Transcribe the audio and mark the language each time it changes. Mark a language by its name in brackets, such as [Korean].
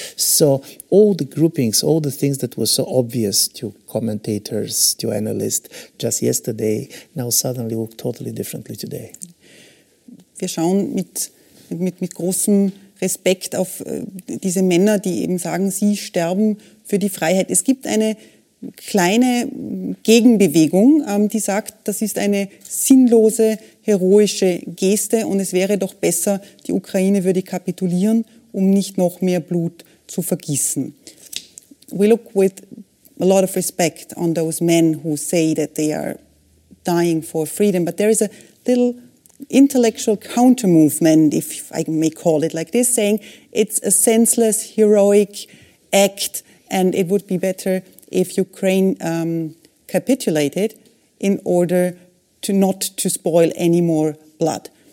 [English] So all the groupings, all the things that were so obvious to commentators, to analysts just yesterday, now suddenly look totally differently today. [German] Wir schauen mit großem Respekt auf diese Männer, die eben sagen, sie sterben für die Freiheit. Es gibt eine kleine Gegenbewegung, die sagt, das ist eine sinnlose, heroische Geste und es wäre doch besser, die Ukraine würde kapitulieren, um nicht noch mehr Blut zu vergießen. [English] We look with a lot of respect on those men who say that they are dying for freedom, but there is a little intellectual counter-movement, if I may call it like this, saying it's a senseless, heroic act and it would be better if Ukraine capitulated in order to not to spoil any more blood.